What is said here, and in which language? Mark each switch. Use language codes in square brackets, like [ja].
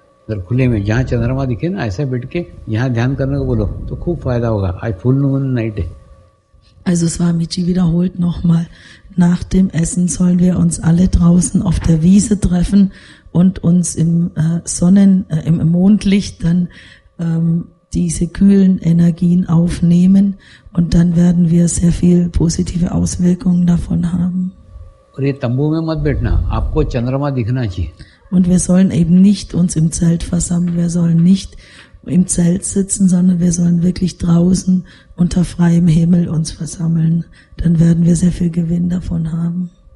[hi] अगर खुले में जहाँ चंद्रमा दिखे ना ऐसे बैठ के यहाँ ध्यान करने को बोलो तो खूब फायदा होगा आज फुल मून नाइट है [de] Also Swamiji wiederholt nochmal, nach dem Essen sollen wir uns alle draußen auf der Wiese treffen und uns im Sonnen, im Mondlicht dann diese kühlen Energien aufnehmen und dann werden wir sehr viel positive Auswirkungen davon haben. [hi] और ये तंबू में मत बैठना आपको चंद्रमा दिखना चाहिए [de] Und wir sollen eben nicht uns im Zelt versammeln, wir sollen nicht im Zelt sitzen, sondern wir sollen wirklich draußen unter freiem Himmel uns versammeln. Dann werden wir sehr viel Gewinn davon haben.